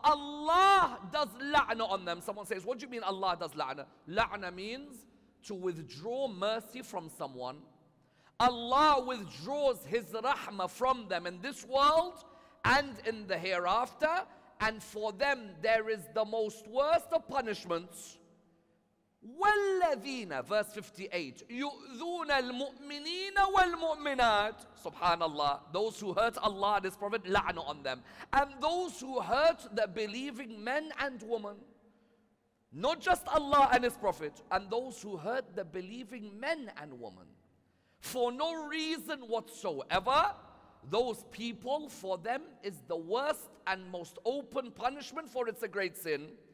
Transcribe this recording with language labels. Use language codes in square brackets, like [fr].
[en] Allah does la'na on them. Someone says, what do you mean Allah does la'na? La'na means to withdraw mercy from someone. Allah withdraws his rahmah from them in this world and in the hereafter, and for them there is the most worst of punishments. [ar] وَالَّذِينَ, [en] verse 58, [ar] يُؤْذُونَ الْمُؤْمِنِينَ وَالْمُؤْمِنَاتِ. [en] Subhanallah, those who hurt Allah and his Prophet, la'na on them. And those who hurt the believing men and women, not just Allah and his Prophet, and those who hurt the believing men and women, for no reason whatsoever, those people, for them, is the worst and most open punishment, for it's a great sin.